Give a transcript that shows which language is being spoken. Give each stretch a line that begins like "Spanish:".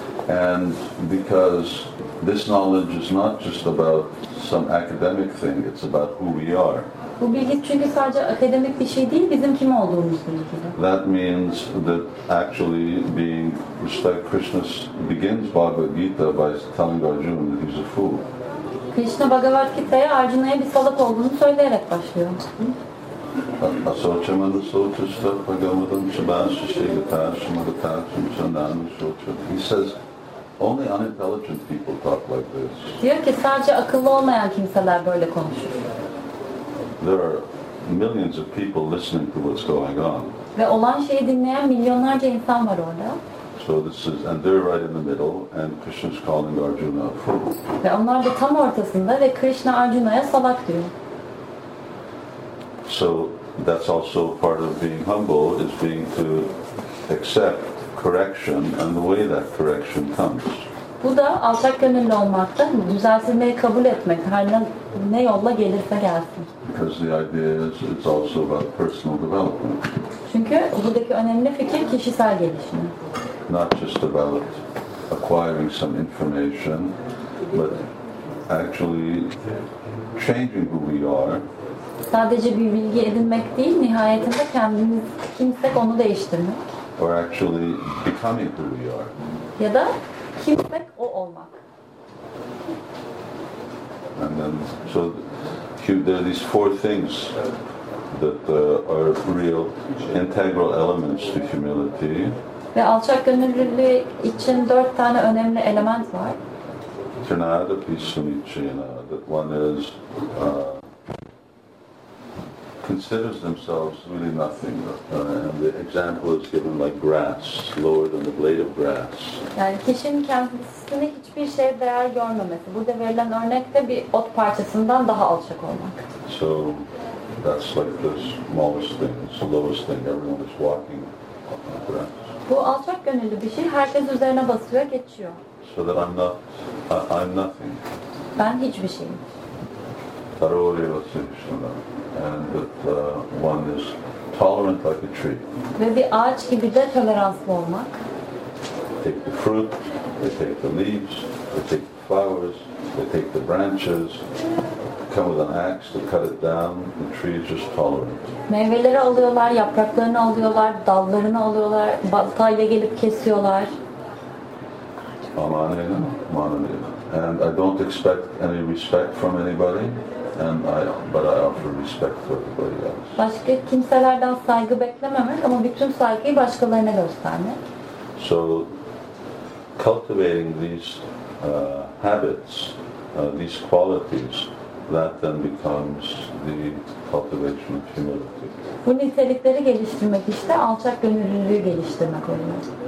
English: And because this knowledge is not just about some academic thing, it's about who we are.
Turkish: Bu bilgi çünkü sadece akademik bir şey değil, bizim kim olduğumuzla ilgili.
English: That means that actually being respect Krishna begins Bhagavad Gita by telling Arjuna that he's a fool.
Turkish: Krishna Bhagavad Gita'ya Arjuna'ya bir salak olduğunu söyleyerek başlıyor. Asochamanda sochasta pagamadam shabasya shigata shumagata shumchandana sochata.
English: He says, only unintelligent people talk like this.
Turkish: Diyor ki sadece akıllı olmayan kimseler böyle konuşur.
English: There are millions of people listening to what's going on.
Turkish: Ve olan şeyi dinleyen milyonlarca insan var orada.
English: So this is, and they're right in the middle, and Krishna's calling Arjuna a fool.
Turkish: Ve onlar da tam ortasında ve Krishna Arjuna'ya salak diyor.
English: So that's also part of being humble, is being to accept correction and the way that correction comes.
Turkish: Bu da alçak gönüllü olmakta, düzeltilmeyi kabul etmek, her ne yolla gelirse gelsin.
English: Because the idea is it's also about personal development.
Turkish: Çünkü buradaki önemli fikir kişisel gelişim.
English: Not just about acquiring some information, but actually changing who we are.
Turkish: Sadece bir bilgi edinmek değil, nihayetinde kendimiz kimsek onu değiştirmek.
English: Or actually becoming who we are.
Turkish: Ya da kimsek o olmak.
English: And then, so there are these four things that are real integral elements to humility.
Turkish: Ve alçak gönüllülüğü için dört tane önemli element var.
English: Trinada pisunicina, that one is considers themselves really nothing, and the example is given like grass, lower than the blade of grass.
Turkish: Yani kişinin kendisini hiçbir şeye değer görmemesi. Burada verilen örnekte bir ot parçasından daha alçak olmak.
English: So that's like the smallest thing, it's the lowest thing. Everyone is walking on the grass.
Turkish: Bu alçak gönüllü bir şey, herkes üzerine basıyor, geçiyor.
English: So that I'm nothing.
Turkish: Ben hiçbir şeyim. Tarorevasyonu.
English: And that one is tolerant like a tree.
Turkish: Ve bir ağaç gibi de toleranslı olmak.
English: Take the fruit, they take the leaves, they take the flowers, they take the branches. Come with an axe to cut it down. The tree is just tolerant.
Turkish: Meyveleri alıyorlar, yapraklarını alıyorlar, dallarını alıyorlar, baltayla gelip kesiyorlar. Amanena, mananena.
English: And I don't expect any respect from anybody. But I offer respect for everybody else.
Turkish: Başka kimselerden saygı beklememek ama bütün saygıyı başkalarına göstermek. So cultivating these habits, these qualities, that then becomes the cultivation of humility. Bu nitelikleri geliştirmek işte alçak gönüllülüğü geliştirmek oluyor.